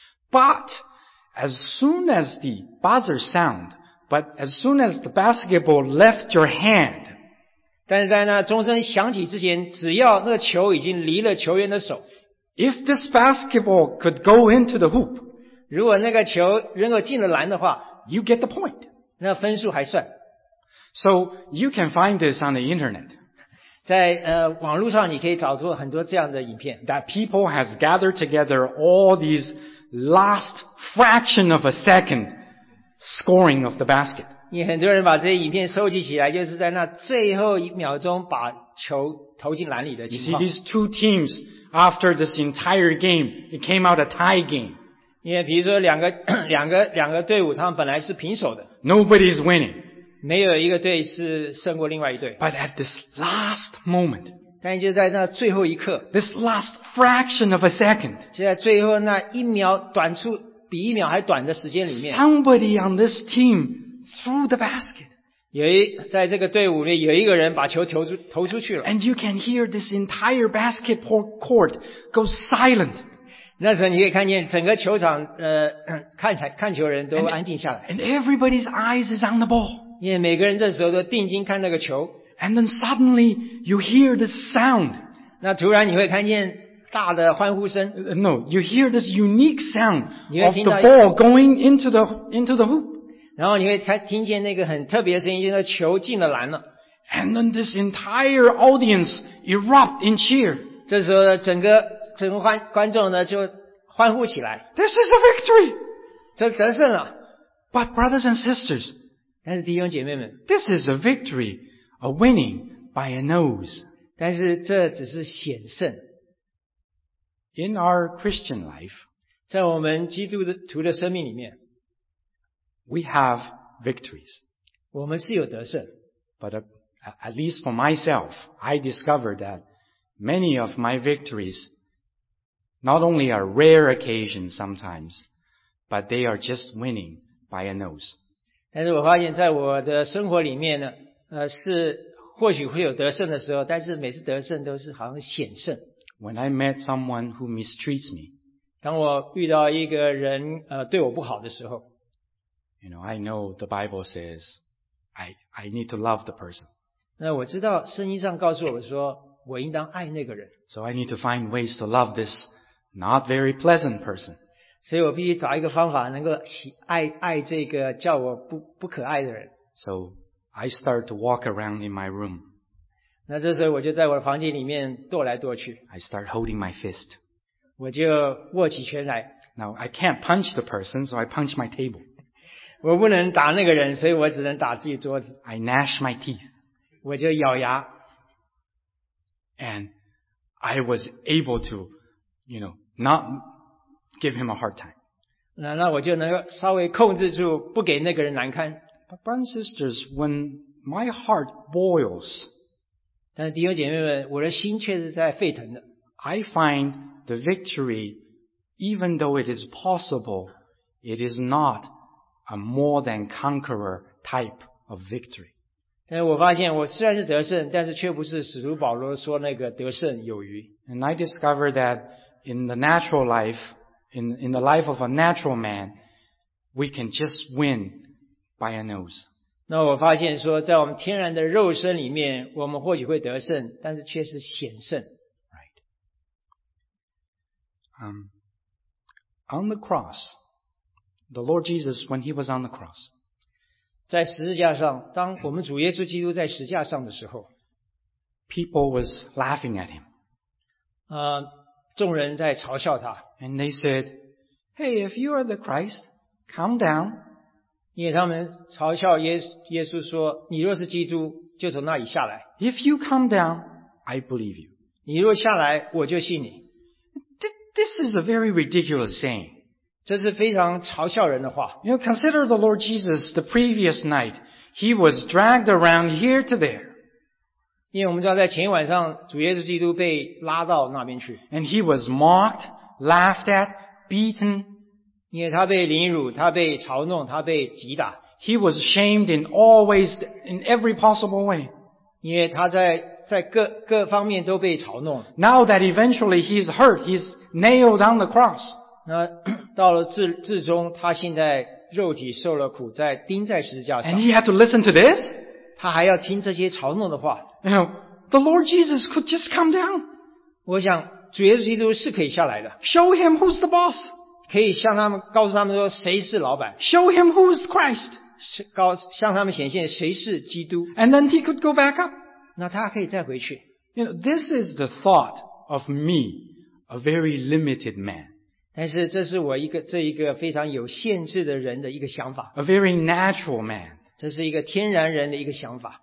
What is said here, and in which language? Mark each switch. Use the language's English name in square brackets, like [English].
[English] But as soon as the buzzer sound, but as soon as the basketball left your hand, [Chinese] 但是在那钟声响起之前，只要那个球已经离了球员的手 [English] ，If this basketball could go into the hoop, [Chinese] 如果那个球能够进了篮的话 [English] ，You get the point. [Chinese] 那分数还算。 [English] So you can find this on the internet. [Chinese] 在网络上你可以找出很多这样的影片。 [English] That people has gathered together all these last fraction of a second scoring of the basket. [Chinese] 因为很多人把这些影片收集起来，就是在那最后一秒钟把球投进篮里的情况。 [English] You see these two teams after this entire game, it came out a tie game. [Chinese] 因为比如说两个队伍，他们本来是平手的。 [English] Nobody is winning. [Chinese] 没有一个队是胜过另外一队。 [English] But at this last moment, [Chinese] 但就在那最后一刻 [English] ，this last fraction of a second, [Chinese] 就在最后那一秒短出比一秒还短的时间里面 [English] ，somebody on this team threw the basket. [Chinese] 在这个队伍里有一个人把球投出去了。 [English] And you can hear this entire basketball court go silent. [Chinese] 那时候你可以看见整个球场看球人都安静下来。 [English] And everybody's eyes is on the ball. [Chinese] 因为每个人这时候都定睛看那个球。 [English] And then suddenly you hear this sound. [Chinese] 那突然你会看见大的欢呼声。 [English] No, you hear this unique sound of the ball going into the hoop. [Chinese] 然后你会听见那个很特别的声音，就是球进了篮了。 [English] And then this entire audience erupt in cheer. [Chinese] 这时候整个观众呢就欢呼起来。 [English] This is a victory! [Chinese] 这得胜了。 [English] But brothers and sisters, [Chinese] 但是弟兄姐妹们 [English] ，This is a victory, a winning by a nose. [Chinese] 但是这只是险胜。 [English] In our Christian life, [Chinese] 在我们基督徒的生命里面 [English] ，we have victories. [Chinese] 我们是有得胜。 [English] But at least for myself, I discovered that many of my victories not only a rare occasion sometimes, but they are just winning by a nose. [Chinese] 但是我发现在我的生活里面呢，是或许会有得胜的时候，但是每次得胜都是好像险胜。 [English] When I met someone who mistreats me, [Chinese] 当我遇到一个人对我不好的时候， [English] you know, I know the Bible says I need to love the person. [Chinese] 那我知道圣经上告诉我们说我应当爱那个人。 [English] So I need to find ways to love this not very pleasant person. [Chinese] 所以我必须找一个方法能够爱这个叫我 不可爱的人。 [English] So I start to walk around in my room. [Chinese] 那这时候我就在我的房间里面踱来踱去。 [English] I start holding my fist. [Chinese] 我就握起拳来。 [English] Now I can't punch the person, so I punch my table. [Chinese] 我不能打那个人，所以我只能打自己桌子。 [English] I gnash my teeth. [Chinese] 我就咬牙。 [English] And I was able to, you know, not give him a hard time. [Chinese] 那我就能稍微控制住，不给那个人难堪。 [English] But brothers and sisters, when my heart boils, [Chinese] 但弟兄姐妹们，我的心却是在沸腾的。 [English] I find the victory, even though it is possible, it is not a more than conqueror type of victory. [Chinese] 但我发现我虽然是得胜，但是却不是使徒保罗说那个得胜有余。 [English] And I discovered that in the natural life, in the life of a natural man, we can just win by a nose. [Chinese] 那我发现说在我们天然的肉身里面，我们或许会得胜，但是却是险胜。 [English] Right. On the cross, the Lord Jesus, when he was on the cross, [Chinese] 在十字架上，当我们主耶稣基督在十字架上的时候， [English] people was laughing at him. [Chinese] 众人在嘲笑他。 [English] And they said, Hey, if you are the Christ, come down. [Chinese] 因为他们嘲笑耶稣说，你若是基督，就从那里下来。 [English] If you come down, I believe you. [Chinese] 你若下来，我就信你。 [English] This is a very ridiculous saying. [Chinese] 这是非常嘲笑人的话。 [English] You know, consider the Lord Jesus the previous night. He was dragged around here to there. [Chinese] 因为我们知道在前一晚上，主耶稣基督被拉到那边去。 [English] And he was mocked, laughed at, beaten. [Chinese] 因为他被凌辱，他被嘲弄，他被击打。 [English] He was shamed in all ways, in every possible way. [Chinese] 因为他在 各方面都被嘲弄。 [English] Now that eventually he's hurt, he's nailed on the cross. [Chinese] 那到了 至终，他现在肉体受了苦，在钉在十字架上。 [English] And he had to listen to this? [Chinese] 他还要听这些嘲弄的话。 [English] You know, the Lord Jesus could just come down. [Chinese] 我想主耶稣基督是可以下来的。 [English] Show him who's the boss. [Chinese] 可以向他们告诉他们说谁是老板。 [English] Show him who's Christ. [Chinese] 向他们显现谁是基督。 [English] And then he could go back up. [Chinese] 那他可以再回去。 [English] You know, this is the thought of me, a very limited man. [Chinese] 但是这是我这一个非常有限制的人的一个想法。 [English] A very natural man. [Chinese] 这是一个天然人的一个想法。